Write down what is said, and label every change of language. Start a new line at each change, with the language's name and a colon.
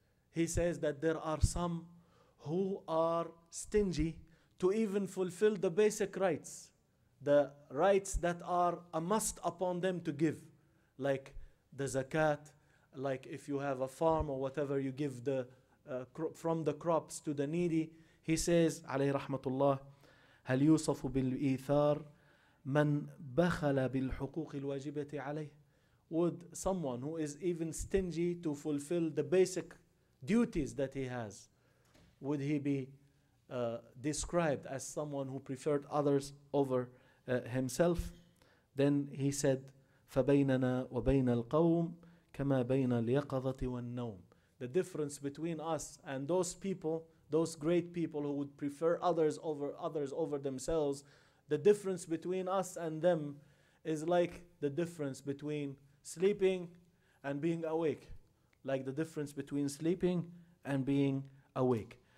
English: He says that there are some who are stingy to even fulfill the basic rights, the rights that are a must upon them to give, like the zakat, like if you have a farm or whatever, you give the from the crops to the needy. He says, alayhi rahmatullah,
Arabic: هَلْ يُوصَفُ بِالْإِيثَارِ مَنْ بَخَلَ بِالْحُقُوقِ الْوَاجِبَةِ عَلَيْهِ.
English: Would someone who is even stingy to fulfill the basic duties that he has, would he be described as someone who preferred others over himself? Then he said,
Arabic: فَبَيْنَنَا وَبَيْنَ الْقَوْمِ كَمَا بَيْنَ الْيَقَظَةِ وَالنَّوْمِ.
English: The difference between us and those people, those great people who would prefer others over themselves, the difference between us and them is like the difference between sleeping and being awake. Like the difference between sleeping and being awake.